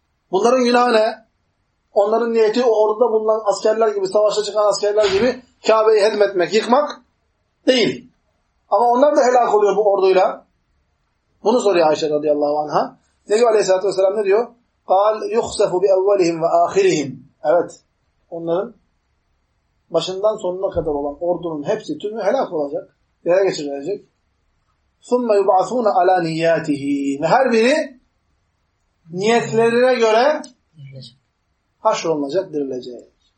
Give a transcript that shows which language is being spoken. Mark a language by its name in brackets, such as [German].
[Turkish] Bunların günahı ne? Onların niyeti o orduda bulunan askerler gibi, savaşa çıkan askerler gibi Kabe'yi hedmetmek, yıkmak değil. Ama onlar da helak oluyor bu orduyla. Bunu soruyor Ayşe radıyallahu anh'a. Nebi aleyhissalatü vesselam ne diyor? [Arabic] قَالْ يُخْسَفُ بِاَوَّلِهِمْ وَآخِرِهِمْ [Turkish] Evet. Onların başından sonuna kadar olan ordunun hepsi, tümü helak olacak. Yere geçirilecek. [Arabic] ثُمَّ يُبْعَثُونَ عَلَى نِيَّاتِهِ [Turkish] Ve her biri niyetlerine göre haşrolunacak, dirilecek.